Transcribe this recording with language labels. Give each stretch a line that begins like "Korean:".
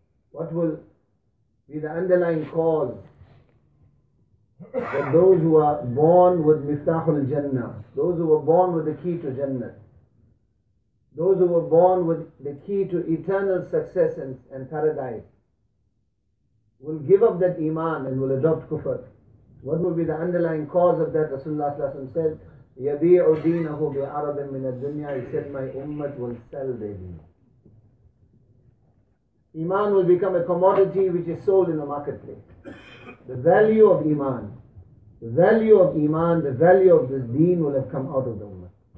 English: What will be the underlying cause that those who are born with miftahul jannah, those who were born with the key to jannah, those who were born with the key to eternal success and paradise, will give up that iman and will adopt kufr? What will be the underlying cause of that? Rasulullah said,
Arabic: يَبِيعُ دِينَهُ بِعَرَضٍ مِّنَ الدُّنْيَا.
English: He said, my ummah will sell their deen. Iman will become a commodity which is sold in the marketplace. The value of iman, the value of iman, the value of this deen will have come out of the ummah.